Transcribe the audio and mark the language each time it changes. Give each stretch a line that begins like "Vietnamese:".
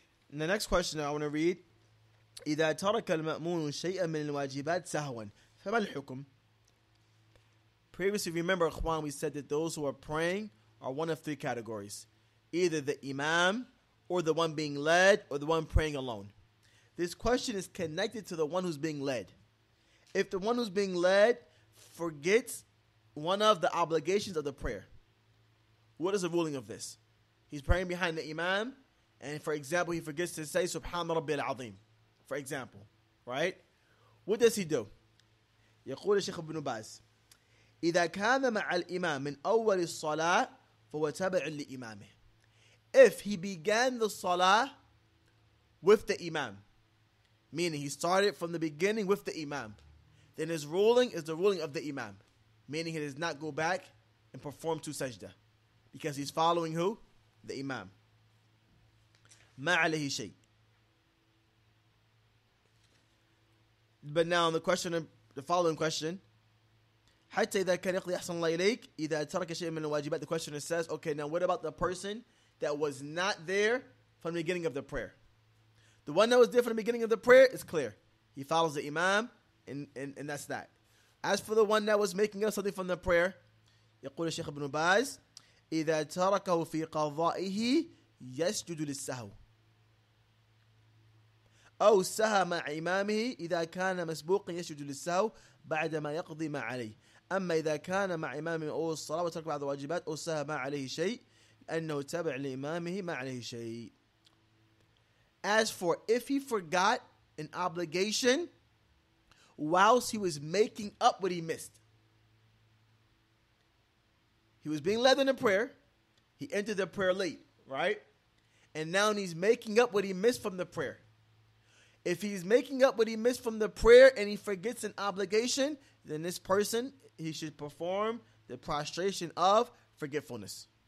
English: And the next question I want to read:
Arabic: إِذَا تَرَكَ الْمَأْمُونُ شَيْئًا مِنَ الْوَاجِبَاتِ سَهْوًا فَمَا الْحُكْمُ.
English: Previously, remember, Ikhwan, we said that those who are praying are one of three categories: either the imam, or the one being led, or the one praying alone. This question is connected to the one who's being led. If the one who's being led forgets one of the obligations of the prayer, what is the ruling of this? He's praying behind the imam, and for example, he forgets to say
Arabic: Subhan Rabbi al-Azim.
English: For example, right? What does he do?
Arabic: يقول الشيخ ابن باز إذا كان مع الإمام من أول الصلاة فهو تابع لإمامه.
English: If he began the salah with the imam, meaning he started from the beginning with the imam, then his ruling is the ruling of the imam, meaning he does not go back and perform two sajda, because he's following who? The imam.
Arabic: ما عليه شيء.
English: But now the question, the following question,
Arabic: حتى إذا كان يقضي أحسن الله إليك إذا ترك شيء من الواجبات.
English: The questioner says, okay, now what about the person that was not there from the beginning of the prayer? The one that was there from the beginning of the prayer is clear. He follows the imam, and that's that. As for the one that was making up something from the prayer,
Arabic: يقول الشيخ ابن باز إذا تركه في قضائه يسجد للسهو أو سهى مع إمامه إذا كان مسبوقا يسجد للسهو بعدما يقضي ما عليه. أما إذا كان مع إمامه أو الصلاة وترك بعض الواجبات أو سهى ما عليه شيء أنه تبع لإمامه ما عليه شيء.
English: As for if he forgot an obligation whilst he was making up what he missed. He was being led in a prayer. He entered the prayer late, right? And now he's making up what he missed from the prayer. If he's making up what he missed from the prayer and he forgets an obligation, then this person, he should perform the prostration of forgetfulness.